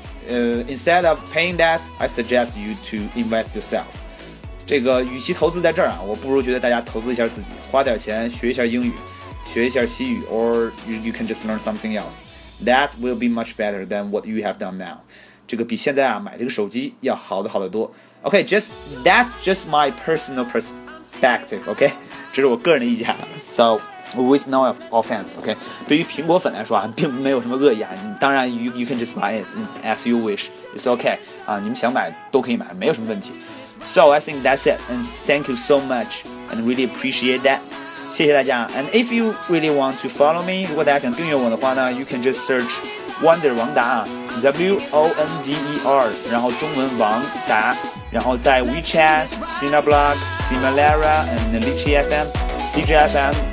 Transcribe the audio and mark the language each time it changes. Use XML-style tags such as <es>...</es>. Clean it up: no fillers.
<en>Instead of paying that, I suggest you to invest yourself.</en> <zh>这个与其投资在这儿啊，我不如觉得大家投资一下自己，花点钱学一下英语，学一下西语 ，</zh> <en>or you can just learn something else. That will be much better than what you have done now.</en> <zh>这个比现在啊买这个手机要好的好得多。</zh> <en>Okay, that's just my personal perspective. Okay,</en> <zh>这是我个人的意见。</zh> <en>So. With no offense, okay?</en> <zh>对于苹果粉来说啊，并没有什么恶意啊。当然</zh> <en>，you can just buy it as you wish. It's okay.</en> <zh>啊，你们想买都可以买，没有什么问题。</zh> <en>So I think that's it. And thank you so much. And really appreciate that.</en> <zh>谢谢大家。</zh> <en>And if you really want to follow me,</en> <zh>如果大家想订阅我的话呢</zh> <en>，you can just search Wonder 王达啊 ，WONDER，</en> <zh>然后中文王达，然后在</zh> <en>WeChat、Cineblog、Simalera and Litchi FM、DJ FM。</en>